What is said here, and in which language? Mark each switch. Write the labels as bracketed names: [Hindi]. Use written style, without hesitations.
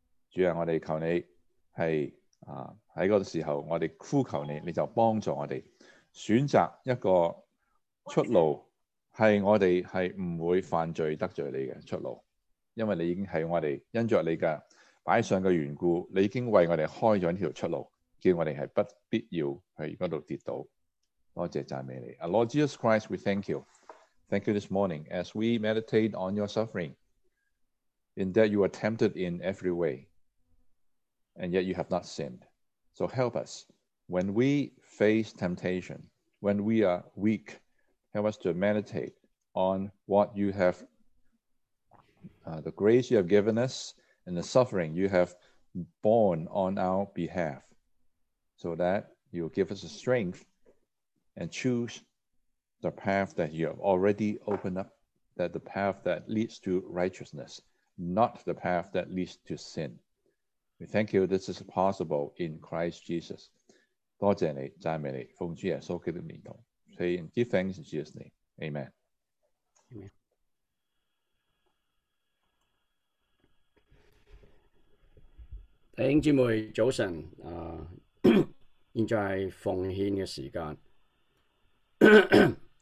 [Chinese] 主要我们求你是在那个时候，我们呼求你，你就帮助我们选择一个出路，是我们是不会犯罪得罪你的出路，因为你已经是我们因着你的摆上的缘故，你已经为我们开了一条出路，叫我们是不必要去那里跌倒。多谢赞美你。 [English] Lord Jesus Christ, we thank you. Thank you this morning as we meditate on your suffering, in that you are tempted in every way, and yet you have not sinned. So help us when we face temptation, when we are weak, help us to meditate on what you have, the grace you have given us and the suffering you have borne on our behalf, so that you give us the strength and choose the path that you have already opened up, that the path that leads to righteousness, not the path that leads to sin. We thank you, this is possible in Christ Jesus. [Chinese] 多谢你，赞美你，奉主耶稣基督的名祷。 [English] Pray and give thanks in Jesus' name. Amen. Amen. Thank you, [Chinese] 早晨，现在是奉献的时间。